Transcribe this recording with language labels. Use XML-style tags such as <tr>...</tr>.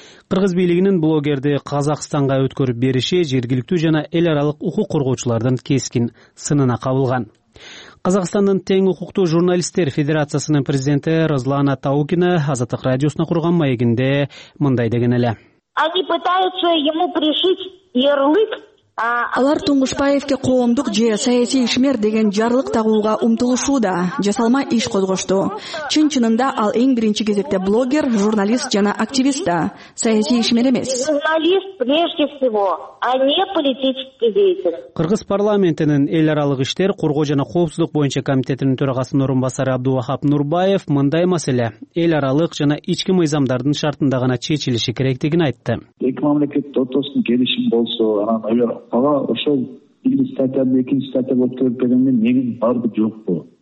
<ky>Кыргыз бийлигинин блогерди Казакстанга өткөрүп бериши жергиликтүү жана эл аралык укук коргоочулардын кескин сынына кабылган. Казакстандын тең укуктуу журналисттер федерациясынын президенти Розлана Таукина Азаттык радиосуна курган маегинде мындай деген эле.</ky> <ru>Они пытаются ему пришить ярлык</ru> <ky>Алар Туңгушбаевке коомдук же саясий ишмер деген жарлык тагууга умтулушууда, жасалма иш козгошту. Чын-чынында ал эң биринчи кезекте блогер, журналист жана активист да, саясий ишмер эмес.</ky> <ru>Журналист прежде всего, а не политический деятель.</ru> <ky>Кыргыз парламентинин эл аралык иштер коргоо жана коопсуздук боюнча комитетинин төрагасынын орун басары Абдувахап Нурбаев мындай маселе эл аралык жана ички мыйзамдардын шартында гана чечилиши керектигин айтты. Эки мамлекет ортосунда келишим болсо, анан ага ошол бир статьяны экинчи статьяга өткөрүп бергенден негиз барбы жокпу?</ky>